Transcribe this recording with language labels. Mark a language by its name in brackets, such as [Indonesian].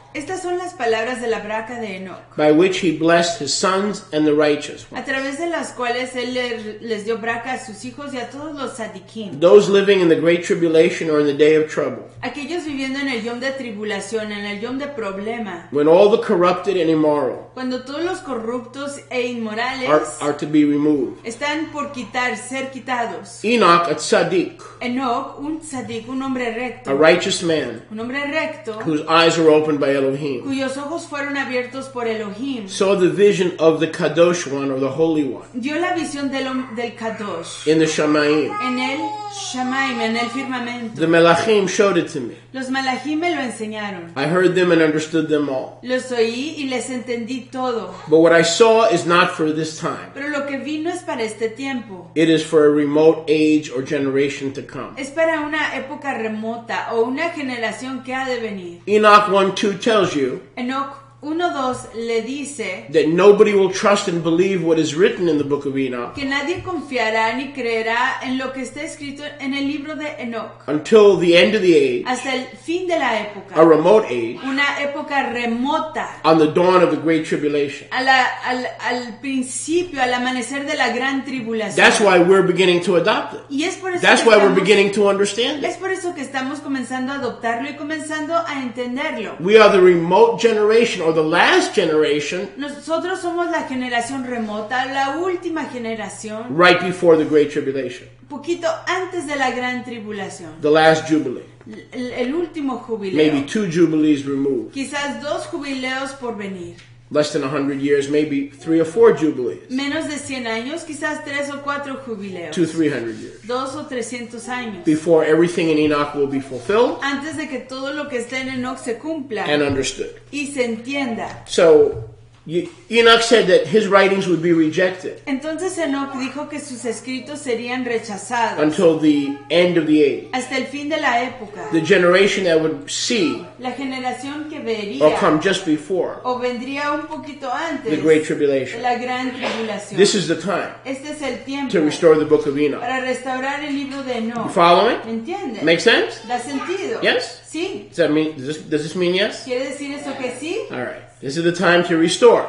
[Spanish] Estas son las palabras de la braca de Enoch. [English] By which he blessed his sons and the righteous ones. [Spanish] A través de las cuales él les dio braca a sus hijos y a todos los tzadikim. [English] Those living in the great tribulation or in the day of trouble. [Spanish] Aquellos viviendo en el yom de tribulación, en el yom de problema. [English] When all the corrupted and immoral. [Spanish] Cuando todos los corruptos e inmorales. [English] Are to be removed. [Spanish] Están por ser quitados. [English] Enoch, a tzadik. [Spanish] Enoch, un tzadik, un hombre recto. [English] A righteous man. [Spanish] Un hombre recto. [English] Whose eyes are opened by Elohim. [Spanish] Cuyos ojos fueron abiertos por Elohim. [English] Saw the vision of the Kadosh One or the Holy One. [Spanish] Dio la visión del Kadosh. [English] In the Shamayim. [Spanish] En el Shamayim, en el firmamento. [English] The Melachim showed it to me. [Spanish] Los Melachim me lo enseñaron. [English] I heard them and understood them all. [Spanish] Los oí y les entendí todo. [English] But what I saw is not for this time. [Spanish] Pero lo que vi no es para este tiempo. [English] It is for a remote age or generation to come. [Spanish] Es para una época remota o una generación que ha de venir. [English] Enoch 1:2 tells you [Spanish] Enoch 1:2 le dice [English] that nobody will trust and believe what is written in the book of Enoch, [Spanish] que nadie confiará ni creerá en lo que está escrito en el libro de Enoch, [English] until the end of the age, [Spanish] hasta el fin de la época, [English] a remote age, [Spanish] una época remota, [English] on the dawn of the great tribulation, [Spanish] al principio, al amanecer de la gran tribulación. [English] That's why we're beginning to adopt it. [Spanish] Y es por eso [English] that's why we're beginning to understand it. [Spanish] Es por eso que estamos comenzando a adoptarlo y comenzando a entenderlo. [English] We are the remote generation or the last generation. [Spanish] Nosotros somos la generación remota, la última generación. [English] Right before the great tribulation. [Spanish] Poquito antes de la gran tribulación. [English] The last jubilee. [Spanish] El último jubileo. [English] Maybe two jubilees removed. [Spanish] Quizás dos jubileos por venir. [English] Less than 100 years, maybe 3 or 4 jubilees. [Spanish] Menos de 100 años, quizás 3 o 4 jubileos. [English] 200 or 300 years. [Spanish] 2 o 300 años. [English] Before everything in Enoch will be fulfilled. [Spanish] Antes de que todo lo que está en Enoch se cumpla. [English] And understood. [Spanish] Y se entienda. [English] So, Enoch said that his writings would be rejected. [Spanish] Entonces Enoch dijo que sus escritos serían rechazados. [English] Until the end of the age. [Spanish] Hasta el fin de la época. [English] The generation that would see. [Spanish] La generación que vería. [English] Or come just before. [Spanish] O vendría un poquito antes. [English] The great tribulation. [Spanish] La gran tribulación. [English] This is the time. [Spanish] Este es el tiempo. [English] To restore the book of Enoch. [Spanish] Para restaurar el libro de Enoch. [English] You following? [Spanish] ¿Me entiendes? [English] Make sense? [Spanish] ¿Da sentido? [English] Yes? [Spanish] Sí. [English] Does this mean yes? [Spanish] ¿Quiere decir eso que sí? [English] All right. This is the time to restore.